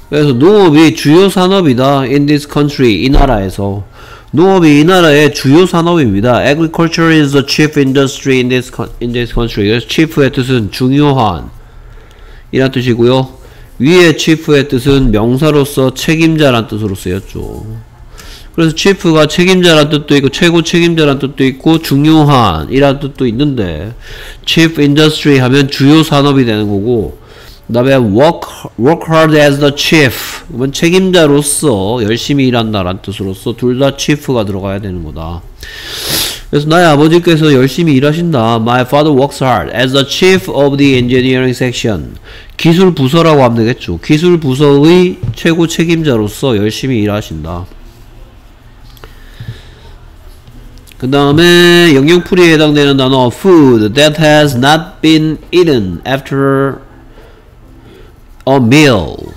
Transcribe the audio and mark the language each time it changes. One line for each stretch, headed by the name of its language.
Korean: 그래서 농업이 주요 산업이다.
English: In this country,
Korean: 이 나라에서. 농업이 이 나라의 주요 산업입니다.
English: Agriculture is the chief industry in this country.
Korean: 그래서 chief의 뜻은 중요한 이란 뜻이고요. 위에 chief의 뜻은 명사로서 책임자란 뜻으로 쓰였죠. 그래서 chief가 책임자란 뜻도 있고 최고 책임자란 뜻도 있고 중요한 이란 뜻도 있는데 chief industry 하면 주요 산업이 되는 거고 그 다음에
English: work hard as the chief
Korean: 그러면 책임자로서 열심히 일한다 라는 뜻으로서 둘 다 chief가 들어가야 되는 거다. 그래서 나의 아버지께서 열심히 일하신다.
English: My father works hard as the chief of the engineering section.
Korean: 기술 부서라고 하면 되겠죠. 기술 부서의 최고 책임자로서 열심히 일하신다. 그 다음에 영양풀이에 해당되는 단어
English: food that has not been eaten after a meal.